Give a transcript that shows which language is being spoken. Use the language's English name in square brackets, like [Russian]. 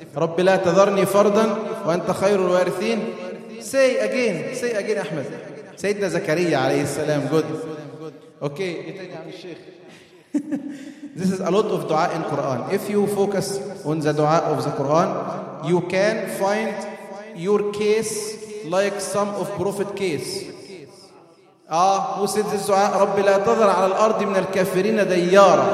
[Arabic] رب لا تذرني فردا وأنت خير الوارثين. [English] Say again, أحمد. [Arabic] سيدنا زكريا عليه السلام. [English] Good. Okay. This is a lot of dua in Quran. If you focus on the dua of the Quran, you can find your case like some of prophet case. Who said this dua? [Arabic] رب لا تذر على الأرض من الكافرين ديارا.